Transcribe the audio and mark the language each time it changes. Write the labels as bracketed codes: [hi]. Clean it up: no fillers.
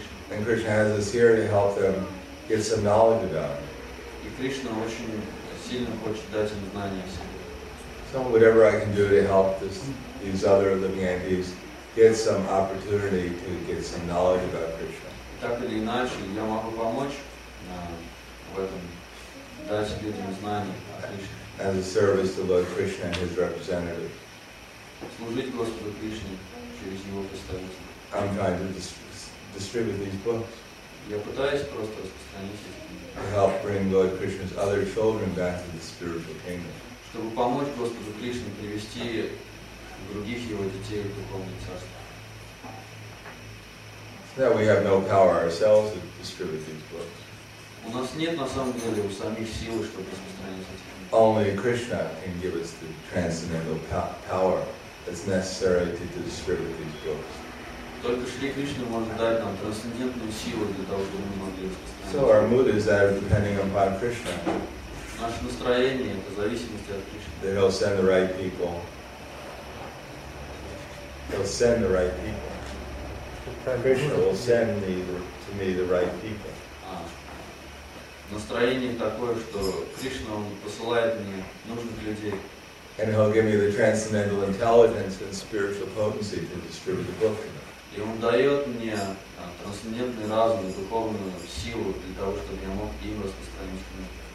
[en] And Krishna has us here to help them get some knowledge about him. [ru] сильно хочет дать им знания о себе. [en] So whatever I can do to help this, these other living entities get some opportunity to get some knowledge about Krishna. [ru] Так или иначе, я могу помочь в этом, дать людям знания о Кришне. [en] As a service to Lord Krishna and his representative. [ru] Служить Господу Кришне через его представителя. [en] I'm trying to distribute these books. [ru] Я пытаюсь просто распространить эти книги. [en] To help bring Lord Krishna's other children back to the spiritual kingdom. [ru] Чтобы помочь Господу Кришне привести других его детей в духовное царство. [en] That we have no power ourselves to distribute these books. [ru] У нас нет на самом деле у самих силы, чтобы распространить эти книги. [en] Only Krishna can give us the transcendental power that's necessary to distribute these books. [ru] Только Шри Кришна может дать нам трансцендентную силу для того, чтобы мы могли распространять. [en] So our mood is that depending upon Krishna. [ru] Наше настроение это зависимость от Кришны. [en] That he'll send the right people. He'll send the right people. Krishna will send me to me the right people. [ru] Настроение такое, что Кришна посылает мне нужных людей. [en] And he'll give me the transcendental intelligence and spiritual potency to distribute the book. [ru] И он дает мне трансцендентный разум и духовную силу для того, чтобы я мог им распространить книгу.